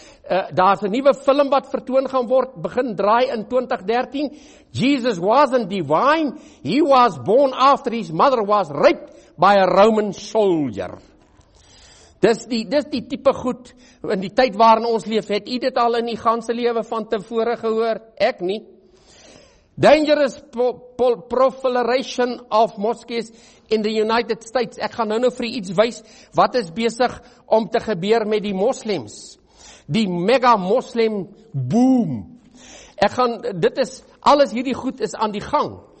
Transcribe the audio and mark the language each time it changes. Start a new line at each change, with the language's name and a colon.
Afrikaans: daar's 'n nuwe film wat vertoon gaan word, begin draai in 2013.
English: Jesus wasn't divine, he was born after his mother was raped by a Roman soldier.
Afrikaans: Dis die tipe goed, in die tyd waarin ons leef, het u dit al in die ganse lewe van tevore gehoor? Ek nie.
English: Dangerous proliferation of mosques in the United States.
Afrikaans: Ek gaan nou vir u iets wys, wat is besig om te gebeur met die moslems. Die mega moslem boom. Ek gaan, dit is, alles hierdie goed is aan die gang.